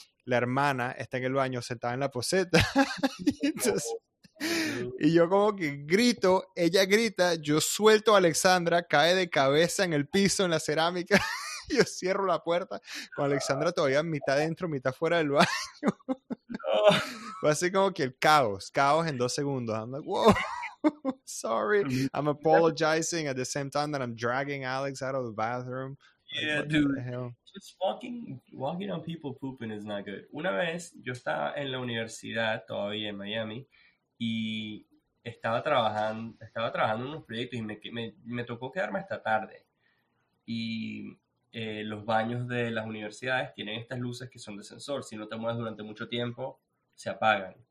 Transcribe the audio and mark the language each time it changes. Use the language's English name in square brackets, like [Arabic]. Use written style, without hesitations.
[Spanish] La hermana está en el baño sentada en la poseta. Entonces, y yo como que grito, ella grita, yo suelto a Alexandra, cae de cabeza en el piso, en la cerámica. Yo cierro la puerta con Alexandra todavía mitad dentro, mitad fuera del baño. Fue así como que el caos en 2 segundos. [English] I'm like, wow. Sorry, I'm apologizing at the same time that I'm dragging Alex out of the bathroom. Yeah, like, dude. What the hell? Just walking on people pooping is not good. [Spanish] Una vez, yo estaba en la universidad todavía en Miami y estaba trabajando en unos proyectos y me tocó quedarme hasta tarde. Y los baños de las universidades tienen estas luces que son de sensor. Si no te mueves durante mucho tiempo, se apagan.